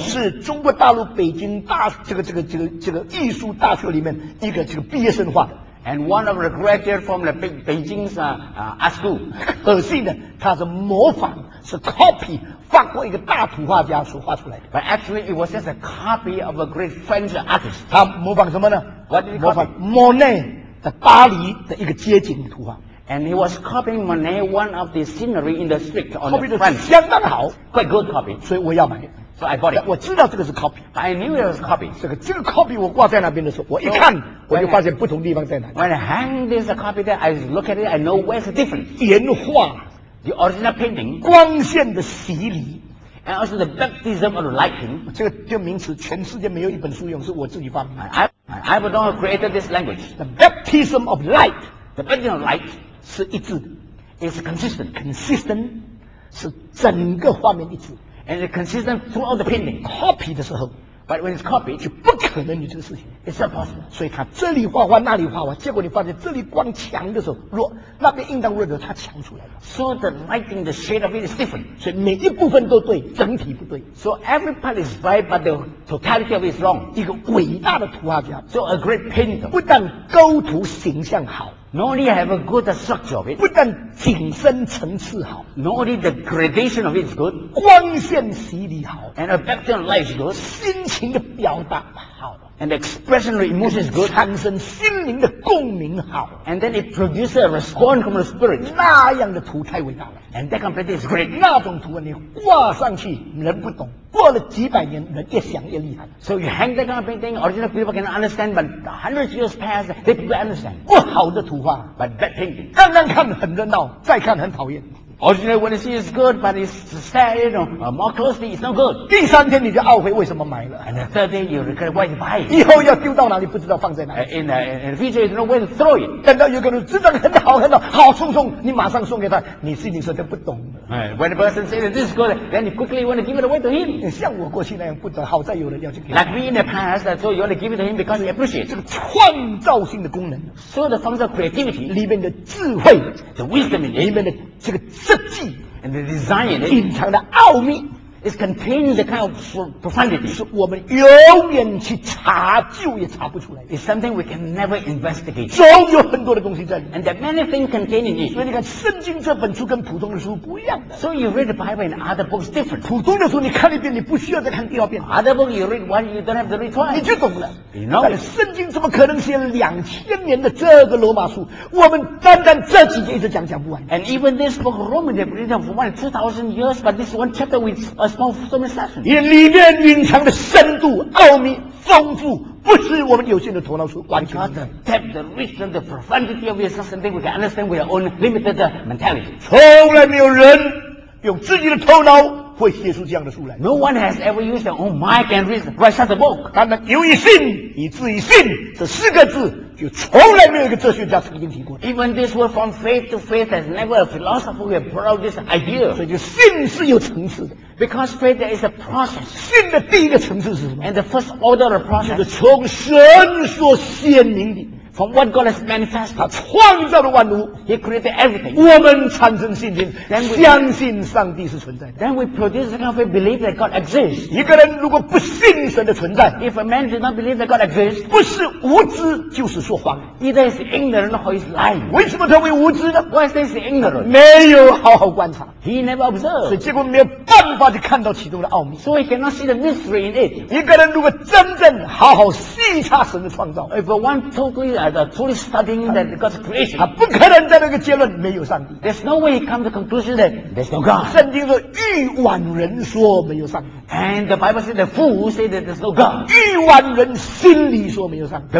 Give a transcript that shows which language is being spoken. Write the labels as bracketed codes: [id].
[zh] 是中国大陆北京大这个艺术大学里面一个这个毕业生画的 [en] ，and one of the graduates from the Beijing's art school. [zh] 可惜呢，他是模仿。是 copy 法国一个大图画家所画出来的 [en] But actually it was just a copy of a great French artist [zh] 他模仿什么呢 [en] What did he copy? [zh] 模仿 Monet 的巴黎的一个街景图画 [en] And he was copying Monet one of the scenery in the street on copy the [zh] French 相当好 [en] Quite good copy [zh] 所以我要买 [en] So I bought it [zh] 我知道这个是 copy [en] I knew it was copy [zh] 这个 copy 我挂在那边的时候我一看 so, 我就发现不同地方在哪里 [en] When I hang this copy there I look at it I know where's the difference [zh] 原画 [en] The original painting, [zh] 光线的洗礼 [en] and also the baptism of lighting. [zh] 这个这个名词全世界没有一本书用，是我自己发明的。 [en] I would not have created this language. The baptism of light, the baptism of light [zh] 是一致的 [en] is consistent. [zh] Consistent 是整个画面一致 [en] and it's consistent throughout the painting. [zh] Copy 的时候 [en] but when it's copied, [zh] 就不可能你这个事情 [en] It's not possible。 [zh] 所以他这里画画那里画画，结果你发现这里光强的时候弱，那边应当弱的时候他强出来了。 [en] So the lighting, the shade of it is different。 [zh] 所以每一部分都对，整体不对。 [en] So every part is right, but the totality of it is wrong。 [zh] 一个伟大的图画家 [en] So a great painter [zh] 不但构图形象好， [en] Not only have a good structure of it, [zh] 不但景深层次好 [en] ，Not only the gradation of it is good, [zh] 光线洗礼好 [en] ，and a background light is good, [zh] 心情的表达好 [en] ，and the expression of emotion is good, [zh] 产生心灵的共鸣好 [en] ，and then it produces a response from the spirit. [zh] 那样的图太伟大了 [en] ，and that kind of painting is great. [zh] 那种图你挂上去人不懂，过了几百年人越想越厉害。 [en] So you hang that kind of painting, ordinary people can understand, but hundreds years pass, they people understand. [zh] 不好的图画 [en] ，but bad painting. [zh] 刚刚看很热闹，再看很讨厌。 [en] Originally, when you see it's good, but it's sad, you know, more closely, it's not good. [zh] 第三天你就懊悔为什么买了。 [en] And the third day, you regret why you buy it. [zh] 以后要丢到哪里不知道放在哪里。 [en] In the future, you don't know where to throw it. [zh] 等到有个人知道很好很好，好送送，你马上送给他，你心里说他不懂。 [en] When a person says that this is good, then you quickly want to give it away to him. [zh] 像我过去那样不懂，好在有人要去给。 [en] Like me in the past, so you want to give it to him because you appreciate [zh] 这个创造性的功能。 [en] So the function of creativity, [zh] 里面的智慧 [en] the wisdom in it, [zh] 里面的这个设计 [en] and the design in it, [zh] 隐藏的奥秘 [en] is contained the kind of profundity, [zh] 是我们永远去查究也查不出来 [en] is something we can never investigate. [zh] 总有很多的东西在里 [en] and there are many things contained in it. [zh] 所以你看圣经这本书跟普通的书不一样的 [en] So you read the Bible and other books different. [zh] 普通的书你看一遍你不需要再看第二遍 [en] Other books you read one, you don't have to read twice. [zh] 你就懂了 [en] You know. [zh] 但圣经怎么可能写了2000年的这个罗马书我们单单这几节一直讲讲不完 [en] And even this book of Romans they've written for 2000 years, but this one chapter with a small sermon session. [zh] 因里面蕴藏的深度奥秘丰富不是我们有限的头脑所完全的 [en] depth, the richness, the profundity of it is something we can understand with our own limited mentality. [zh] 从来没有人用自己的头脑会写出这样的书来 [en] No one has ever used their own mind can write such a book. [zh] 但能由于信以至于信这四个字就从来没有一个哲学家曾经提过 [en] Even this word from faith to faith has never a philosopher who has brought out this idea. [zh] 所以就信是有层次的 [en] Because faith there is a process. [zh] 信的第一个层次是什么 [en] And the first order of process. [zh] 就是从神所显明的 [en] From what God has manifested, [zh] 他创造了万物 [en] He created everything. [zh] 我们产生信心 [en] then we, [zh] 相信上帝是存在的 [en] Then we produce the kind of faith, believe that God exists. [zh] 一个人如果不信神的存在 [en] If a man does not believe that God exists, [zh] 不是无知就是说谎 [en] Either is ignorant or is lying. [zh] 为什么他会无知呢 [en] Why is this ignorant? [zh] 没有好好观察 [en] He never observed. [zh] 所以结果没有办法去看到其中的奥秘 [en] So he cannot see the mystery in it. [zh] 一个人如果真正好好细察神的创造 [en] If one totally truly studying that God's creation [zh] 他不可能在那个结论没有上帝 [en] There's no way he comes to the conclusion that there's no God [zh] 圣经说愚妄人说没有上帝 [en] And the Bible says the fool say that there's no God [zh] 愚妄人心里说没有上帝